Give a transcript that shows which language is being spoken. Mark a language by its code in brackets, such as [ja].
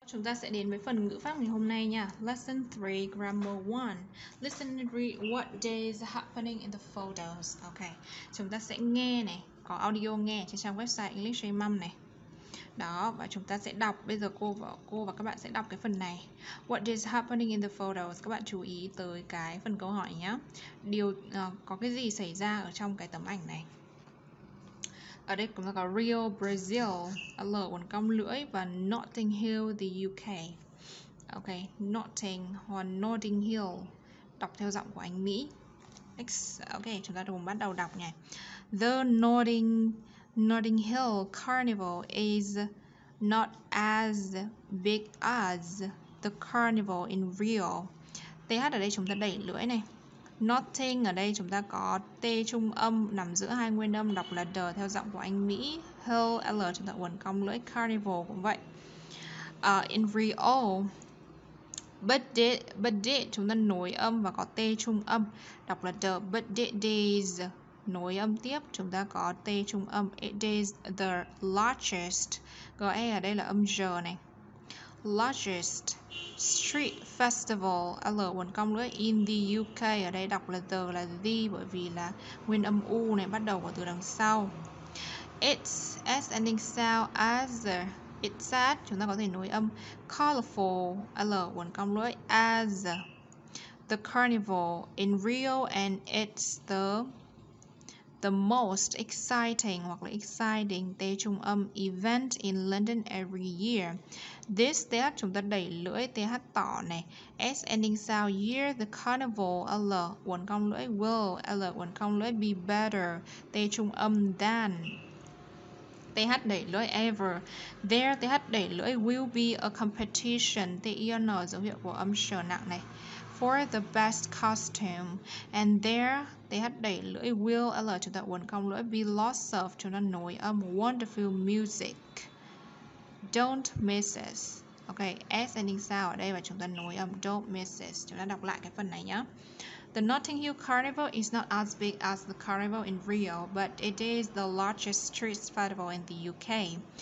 [vi] Chúng ta sẽ đến với phần ngữ pháp ngày hôm nay nha. [en] Lesson 3, Grammar 1. Listen and read what day is happening in the photos. [vi] Ok, chúng ta sẽ nghe này. Có audio nghe trên trang website English Dream Mom này. Đó, và chúng ta sẽ đọc. Bây giờ cô và các bạn sẽ đọc cái phần này. [en] What is happening in the photos? [vi] Các bạn chú ý tới cái phần câu hỏi nhé. Có cái gì xảy ra ở trong cái tấm ảnh này? Ở đây chúng ta có Rio, Brazil, L uốn cong lưỡi và Notting Hill, the UK. Ok, Notting hoặc Notting Hill, đọc theo giọng của anh Mỹ. Ok, chúng ta cùng bắt đầu đọc nha. [en] The Notting Hill Carnival is not as big as the carnival in Rio. [vi] TH ở đây chúng ta đẩy lưỡi này. Notting ở đây chúng ta có T trung âm nằm giữa hai nguyên âm, đọc là D theo giọng của anh Mỹ. Hill, L chúng ta uốn cong lưỡi. Carnival cũng vậy. [en] In Rio, but did [vi] chúng ta nối âm và có T trung âm, đọc là D. But did days, nối âm tiếp, chúng ta có T trung âm. It is the largest, GE ở đây là âm J này. [en] Largest street festival, [vi] L uốn cong lưỡi, [en] in the UK, [vi] ở đây đọc là the, là the, bởi vì là nguyên âm U này bắt đầu của từ đằng sau. [en] It's S ending sound as, it said, [vi] chúng ta có thể nối âm. [en] Colorful, [vi] L uốn cong lưỡi, [en] as the carnival in Rio, and it's the most exciting, hoặc là exciting, T trung âm, event in London every year. [vi] This, TH chúng ta đẩy lưỡi, TH tỏ này. [en] S ending sound, year, the carnival, [vi] L uốn cong lưỡi, [en] will, L uốn cong lưỡi, be better, T trung âm, than. [vi] TH đẩy lưỡi, ever. There, TH đẩy lưỡi, [en] will be a competition, [vi] T-I-N, dấu hiệu của âm sờ nặng này. [en] For the best costume, and there, [vi] TH đẩy lưỡi, [en] will, L chúng ta uốn cong lưỡi, be lots of, chúng ta nối âm, wonderful music, don't miss it. [vi] Ok, S ending sound ở đây và chúng ta nối âm, [en] don't miss it. [vi] Chúng ta đọc lại cái phần này nhé. [en] The Notting Hill Carnival is not as big as the carnival in Rio, but it is the largest street festival in the UK.